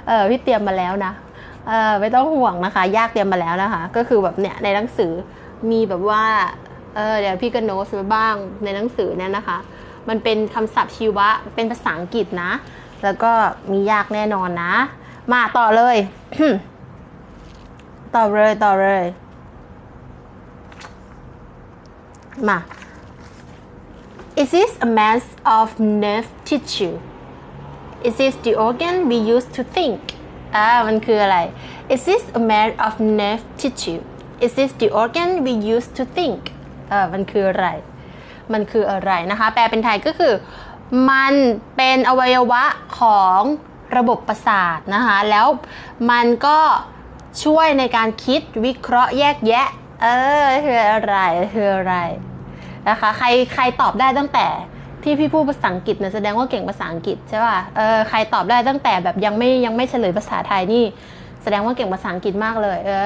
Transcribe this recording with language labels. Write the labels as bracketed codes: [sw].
[th] พี่เตรียมมาแล้วนะไม่ต้องห่วงนะคะยากเตรียมมาแล้วนะคะก็คือแบบเนี่ยในหนังสือมีแบบว่าเดี๋ยวพี่ก็โน้ตไว้บ้างในหนังสือเนี่ยนะคะมันเป็นคำศัพท์ชีวะเป็นภาษาอังกฤษนะแล้วก็มียากแน่นอนนะมาต่อเลย ต่อเลยมา [en] Is this a mass of nerve tissue? Is this the organ we use to think? [th] มันคืออะไร [en] Is this a mass of nerve tissue? Is this the organ we use to think [th] มันคืออะไรมันคืออะไรนะคะแปลเป็นไทยก็คือมันเป็นอวัยวะของระบบประสาทนะคะแล้วมันก็ช่วยในการคิดวิเคราะห์แยกแยะคืออะไรคืออะไรนะคะใครตอบได้ตั้งแต่ที่พี่พูดภาษาอังกฤษนะแสดงว่าเก่งภาษาอังกฤษใช่ป่ะใครตอบได้ตั้งแต่แบบยังไม่เฉลยภาษาไทยนี่แสดงว่าเก่งภาษาอังกฤษมากเลย